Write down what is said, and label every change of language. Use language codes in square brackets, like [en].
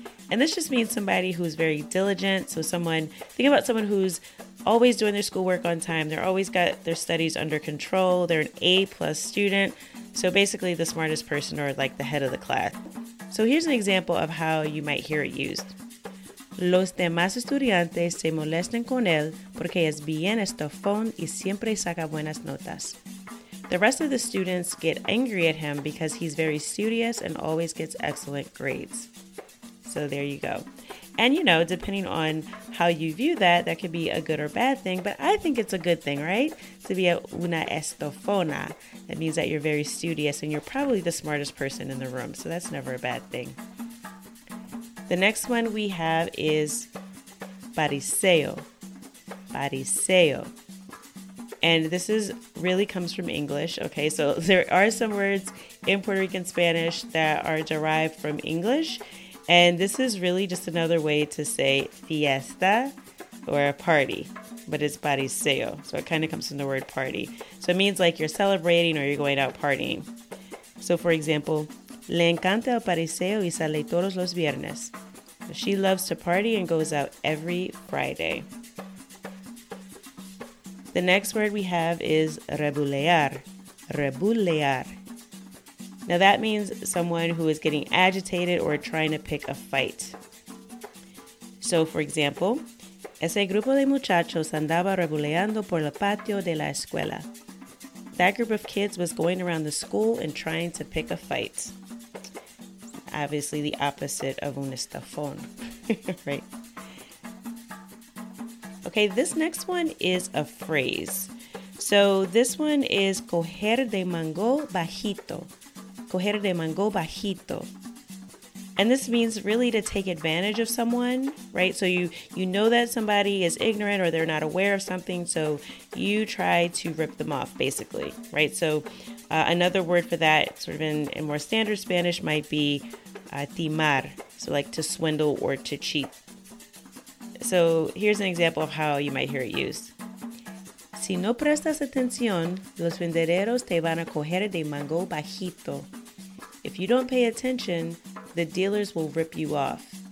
[en] And this just means somebody who's very diligent. So someone, think about someone who's always doing their schoolwork on time. They're always got their studies under control. They're an A+ student. So basically the smartest person or like the head of the class. So here's an example of how you might hear it used. [es] Los demás estudiantes se molestan con él porque es bien estofón y siempre saca buenas notas. [en] The rest of the students get angry at him because he's very studious and always gets excellent grades. So there you go. And you know, depending on how you view that, that could be a good or bad thing, but I think it's a good thing, right? To be a una estofona. That means that you're very studious and you're probably the smartest person in the room. So that's never a bad thing. The next one we have is pariseo, pariseo. And this is really comes from English, okay? So there are some words in Puerto Rican Spanish that are derived from English. And this is really just another way to say fiesta or a party, but it's pariseo. So it kind of comes from the word party. So it means like you're celebrating or you're going out partying. So for example, [es] le encanta el pariseo y sale todos los viernes. [en] She loves to party and goes out every Friday. The next word we have is rebulear, rebulear. Now that means someone who is getting agitated or trying to pick a fight. So for example, [es] ese grupo de muchachos andaba rebuleando por el patio de la escuela. [en] That group of kids was going around the school and trying to pick a fight. Obviously the opposite of un estafón, right? Okay, this next one is a phrase. So this one is coger de mango bajito. Coger de mango bajito. And this means really to take advantage of someone, right? So you know that somebody is ignorant or they're not aware of something, so you try to rip them off, basically, right? So another word for that, sort of in more standard Spanish, might be timar, so like to swindle or to cheat. So here's an example of how you might hear it used. [es] Si no prestas atención, los vendedores te van a coger de mango bajito. [en] If you don't pay attention, the dealers will rip you off.